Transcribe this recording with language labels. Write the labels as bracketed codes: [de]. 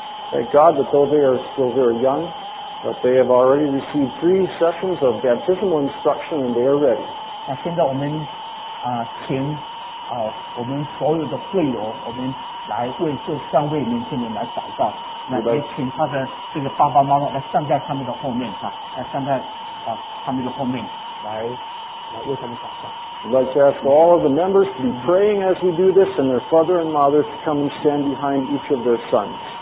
[en] Thank God that though they are still very young, that they have already received three sessions of baptismal instruction and they are ready. [zh] 那现在我们请我们所有的会友，我们来为这三位年轻人来祷告，那也请他的这个爸爸妈妈来站在他们的后面啊，来站在他们的后面来为他们祷告。 [en] I'd like to ask all of the members to be praying as we do this, and their father and mother to come and stand behind each of their sons.